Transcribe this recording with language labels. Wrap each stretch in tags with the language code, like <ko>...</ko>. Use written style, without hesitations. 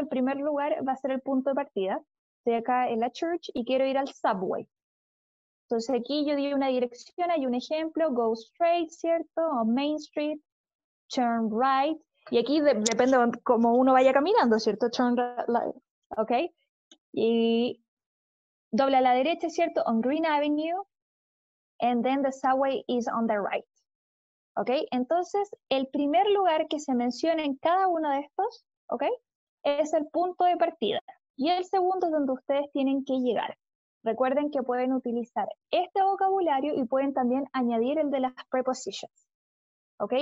<es>El primer lugar va a ser el punto de partida. Estoy acá en la church y quiero ir al subway. Entonces, aquí yo di una dirección, hay un ejemplo,</es> <en>go straight,</en> <es>¿cierto? O Main Street, turn right. Y aquí depende de cómo uno vaya caminando, ¿cierto? Turn right, ¿ok? Y dobla a la derecha, ¿cierto? On Green Avenue.</es> <en>And then the subway is on the right. ¿Ok?</en> <es>Entonces, el primer lugar que se menciona en cada uno de estos, ¿ok? Es el punto de partida. Y el segundo es donde ustedes tienen que llegar. Recuerden que pueden utilizar este vocabulario y pueden también añadir el de las prepositions. ¿Ok?</es>